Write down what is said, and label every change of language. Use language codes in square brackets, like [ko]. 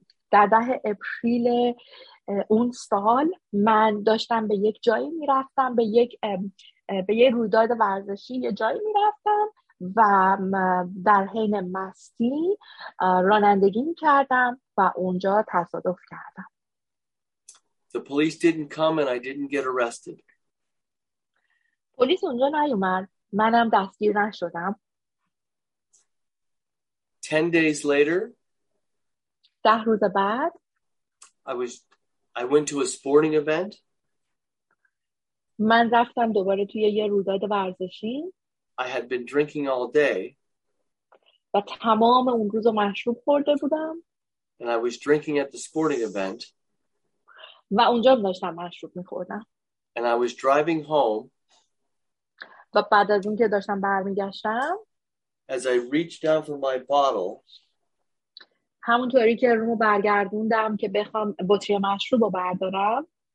[fa] در ده اپریل اون سال من داشتم به یک جایی میرفتم، به یک رویداد ورزشی یه جایی میرفتم و در حین مستی رانندگی میکردم و اونجا تصادف کردم. [en] The police didn't come and I didn't get arrested. [fa] پلیس اونجا نیومد، منم دستگیر نشدم. [en] 10 days later, [fa] 10 روز بعد, [en] I went to a sporting event. [fa] من رفتم دوباره توی یه رویداد ورزشی. [en] I had been drinking all day. [fa] و تمام اون روز مشروب خورده بودم. [en] And I was drinking at the sporting event. [fa] و اونجا داشتم مشروب می‌خوردم. [en] And I was driving home. [fa] و بعد از اون که داشتم برمیگشتم. [en] As I reached down for my bottle, [fa] همونطوری که رومو برگردوندم که بخوام بطری مشروب رو بردارم.